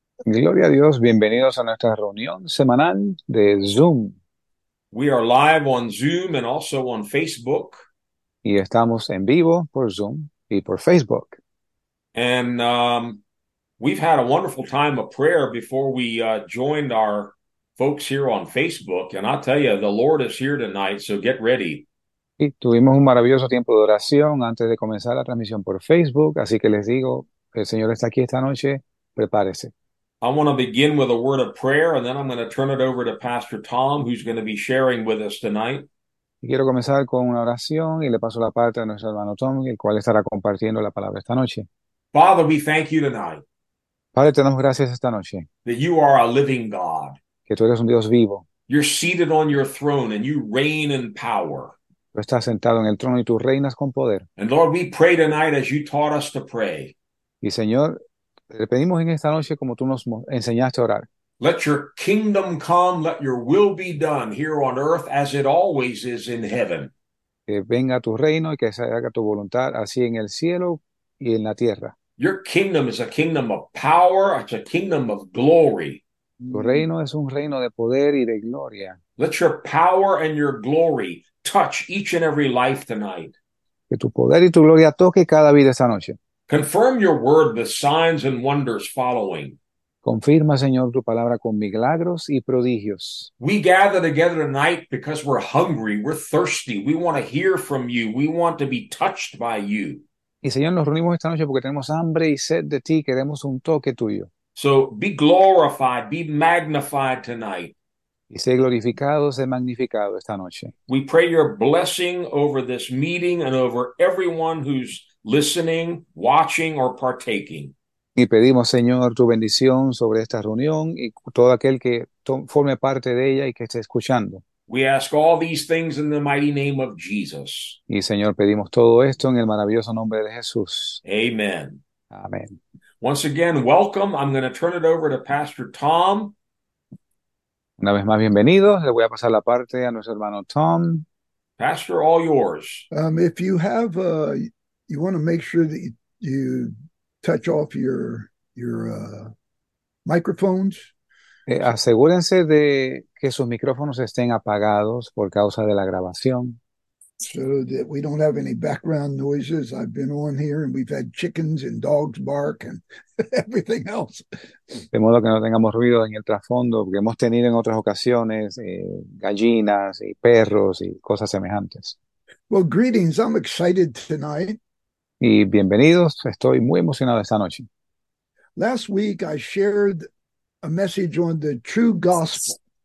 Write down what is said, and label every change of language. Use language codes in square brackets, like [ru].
[es] Gloria a Dios, bienvenidos a nuestra reunión semanal de Zoom. [en] We are live on Zoom and also on Facebook. [es] Y estamos en vivo por Zoom y por Facebook. [en] And we've had a wonderful time of prayer before we joined our folks here on Facebook. And I'll tell you, the Lord is here tonight, so get ready. [es] Y tuvimos un maravilloso tiempo de oración antes de comenzar la transmisión por Facebook, así que les digo, el Señor está aquí esta noche, prepárese. [en] I want to begin with a word of prayer, and then I'm going to turn it over to Pastor Tom, who's going to be sharing with us tonight. [es] Quiero comenzar con una oración y le paso la parte a nuestro hermano Tom, el cual estará compartiendo la palabra esta noche. [en] Father, we thank you tonight [es] Padre, te damos gracias esta noche, [en] that you are a living God. [es] que tú eres un Dios vivo. [en] You're seated on your throne and you reign in power. [es] Tú estás sentado en el trono y tú reinas con poder. [en] And Lord, we pray tonight as you taught us to pray. [es] Y Señor, le pedimos en esta noche como tú nos enseñaste a orar. [en] Let your kingdom come, let your will be done here on earth as it always is in heaven. [es] Que venga tu reino y que se haga tu voluntad, así en el cielo y en la tierra. [en] Your kingdom is a kingdom of power, it's a kingdom of glory. [es] Tu reino es un reino de poder y de gloria. [en] Let your power and your glory touch each and every life tonight. [es] Que tu poder y tu gloria toque cada vida esta noche. [en] Confirm your word with signs and wonders following. [es] Confirma, Señor, tu palabra con milagros y prodigios. [en] We gather together tonight because we're hungry, we're thirsty, we want to hear from you, we want to be touched by you. [es] Y Señor, nos reunimos esta noche porque tenemos hambre y sed de ti, queremos un toque tuyo. [en] So be glorified, be magnified tonight. [es] Y sé glorificado, sé magnificado esta noche. [en] We pray your blessing over this meeting and over everyone who's listening, watching, or partaking. [es] Y pedimos, Señor, tu bendición sobre esta reunión y todo aquel que forme parte de ella y que esté escuchando. [en] We ask all these things in the mighty name of Jesus. [es] Y Señor, pedimos todo esto en el maravilloso nombre de Jesús. [en] Amen. [es] Amén. [en] Once again, welcome. I'm going to turn it over to Pastor Tom. [es] Una vez más, bienvenidos. Le voy a pasar la parte a nuestro hermano Tom. [en] Pastor, all yours. If you have you want to make sure that you touch off your microphones. [es] Asegúrense de que sus micrófonos estén apagados por causa de la grabación. [en] So that we don't have any background noises. I've been on here and we've had chickens and dogs bark and everything else. [es] De modo que no tengamos ruido en el trasfondo, porque hemos tenido en otras ocasiones gallinas y perros y cosas semejantes. [en] Well, greetings. I'm excited tonight. [es] Y bienvenidos, estoy muy emocionado esta noche. [en] Last week I shared a message on the true gospel.